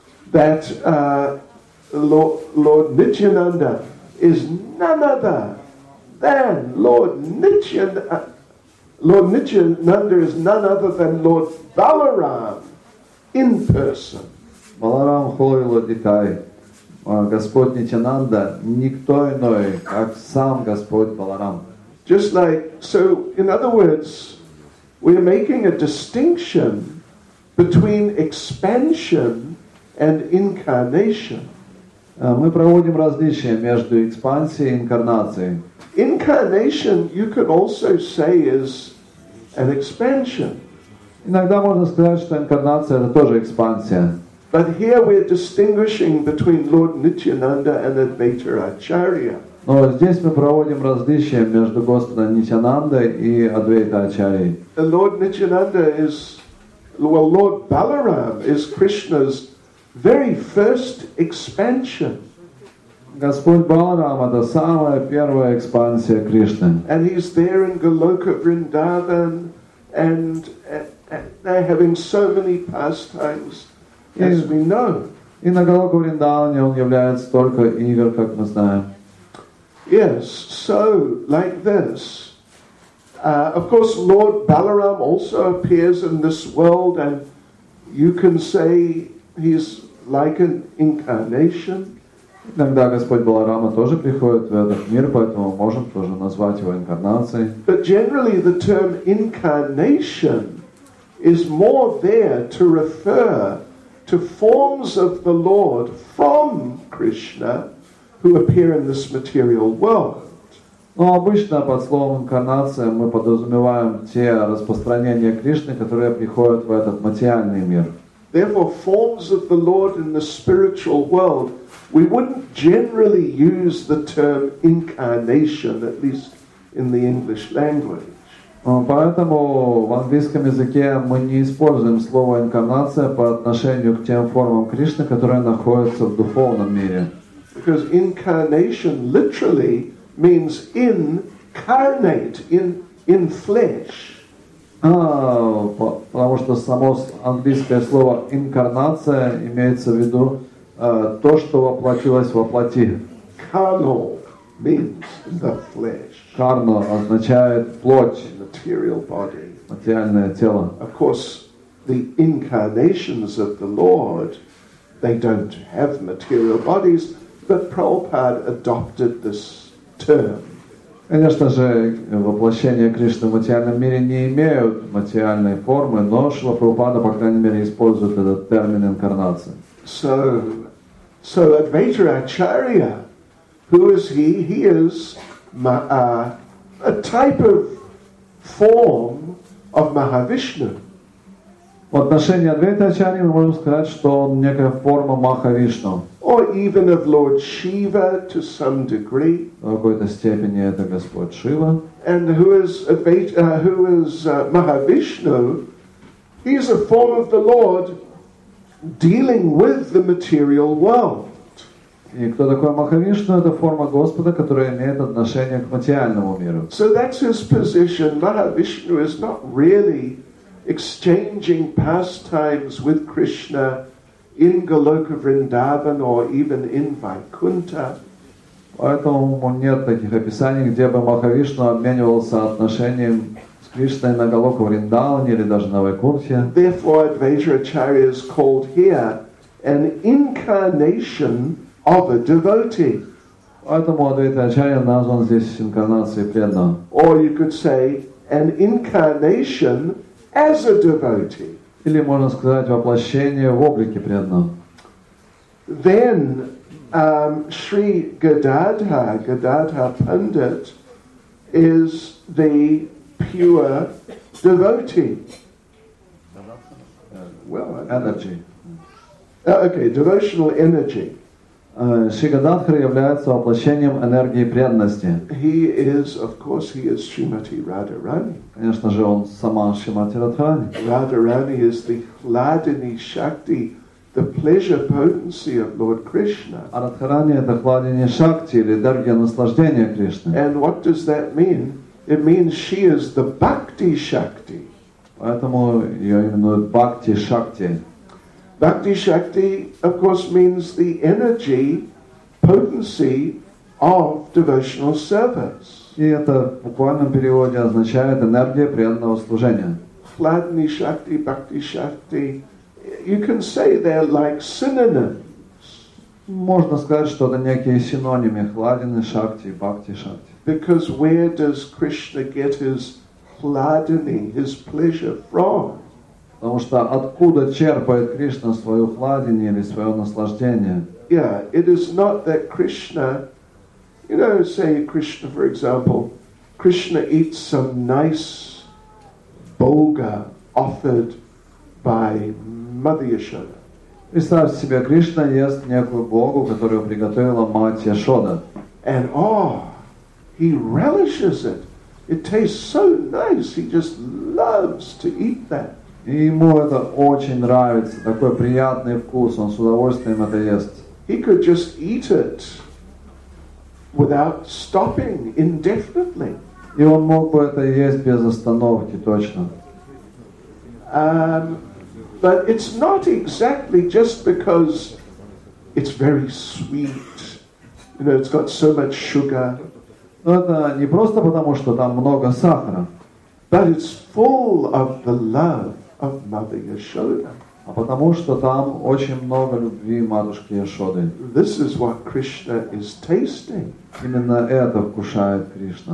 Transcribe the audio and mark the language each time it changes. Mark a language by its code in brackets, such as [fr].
[en] That Lord Nityananda is none other than Lord Nityananda is none other than Lord Balaram in person. [ru] Баларам Холило Дикай, Господь Нитянанда, никто иной, как сам Господь Баларам. [en] Just like, so, in other words, we are making a distinction between expansion and incarnation. [ru] Мы проводим различие между экспансией и инкарнацией. [en] Incarnation, you could also say, is an expansion. [ru] Иногда можно сказать, что инкарнация – это тоже экспансия. [en] But here we're distinguishing between Lord Nityananda and Advaita Acharya. [ru] Но здесь мы проводим различие между Господом Нитянандой и Адвайта Ачарьей. [en] Lord Nityananda is, well, Lord Balaram is Krishna's very first expansion. [ru] Господь Баларам — это самая первая экспансия Кришны. [en] And he's there in Goloka Vrindavan, and they're having so many pastimes. As we know. [ru] И на Голоку Вриндаване он является столько игр, как мы знаем. [en] Yes, so, like this. Of course, Lord Balaram also appears in this world, and you can say he's like an incarnation. [ru] Иногда Господь Баларама тоже приходит в этот мир, поэтому можем тоже назвать его инкарнацией. [en] But generally the term incarnation is more there to refer to forms of the Lord from Krishna who appear in this material world. [ru] Но обычно под словом инкарнация мы подразумеваем те распространения Кришны, которые приходят в этот материальный мир. [en] Therefore, forms of the Lord in the spiritual world, we wouldn't generally use the term incarnation, at least in the English language. [ru] Поэтому в английском языке мы не используем слово «инкарнация» по отношению к тем формам Кришны, которые находятся в духовном мире. [en] Because incarnation literally means incarnate, in flesh. [ru] Потому что само английское слово «инкарнация» имеется в виду то, что воплотилось во плоти. [en] Carnal means the flesh. [ru] Карна означает плоть. [en] Material body. [ru] Материальное тело. [en] Of course, the incarnations of the Lord, they don't have material bodies, but Prabhupada adopted this term. [ru] Конечно же, воплощение Кришны в материальном мире не имеют материальной формы, но Шрила Прабхупада, по крайней мере, использует этот термин инкарнация. [en] So Advaita Acharya, who is he? He is a type of form of Mahavishnu. [ru] В отношении Адвайта Ачарьи мы можем сказать, что он некая форма Махавишну. [en] Or even of Lord Shiva to some degree. [ru] В какой-то степени это Господь Шива. [en] And who is Mahavishnu? He is a form of the Lord dealing with the material world. [ru] И кто такой Махавишну? Это форма Господа, которая имеет отношение к материальному миру. [en] So that's his position. Mahavishnu is not really exchanging pastimes with Krishna in Goloka Vrindavan or even in Vaikuntha. [ru] Поэтому нет таких описаний, где бы Махавишну обменивался отношением с Кришной на Голоку Вриндаване или даже на Вайкунте. [en] Therefore, Advaita Acharya is called here an incarnation of a devotee. [ru] Поэтому Advaita Acharya назван здесь инкарнацией преданного. [en] Or you could say an incarnation as a devotee. [ru] Или можно сказать воплощение в облике преданного. [en] Then Sri Gadadha Pandit is the pure devotee. Well, energy. Devotional energy. [ru] Sri Gadadhara является воплощением энергии преданности. [en] He is, of course, he is Srimati Radharani. [ru] Конечно же, он сама Srimati Radharani. [en] Radharani is the Hladini Shakti, the pleasure potency of Lord Krishna. [ru] А Радхарани это Хладини Шакти или энергия наслаждения Кришны. [en] And what does that mean? It means she is the Bhakti Shakti. [ru] Поэтому ее именуют Bhakti Shakti. [en] Bhakti Shakti, of course, means the energy, potency of devotional service. [ru] И это в буквальном переводе означает энергия преданного служения. [en] Hladini Shakti, Bhakti Shakti, you can say they're like synonyms. [ru] Можно сказать, что это некие синонимы Hladini Shakti, Bhakti Shakti. [en] Because where does Krishna get his Hladini, his pleasure from? [ru] Потому что откуда черпает Кришна свое хладение или свое наслаждение? [en] Yeah, it is not that Krishna, you know, say Krishna, for example, Krishna eats some nice bhoga offered by Mother Yashoda. [ru] Представь себе, Кришна ест некую богу, которую приготовила мать Яшода. [en] And oh, he relishes it. It tastes so nice. He just loves to eat that. [ru] И ему это очень нравится, такой приятный вкус, он с удовольствием это ест. [en] He could just eat it without stopping indefinitely. [ru] И он мог бы это есть без остановки, точно. [en] But it's not exactly just because it's very sweet, you know, it's got so much sugar. [ru] Но это не просто потому, что там много сахара. [en] But it's full of the love of Mother Yashoda. [ru] А потому что там очень много любви матушки Яшоды. [en] This is what Krishna is tasting. [ru] Именно это вкушает Кришна.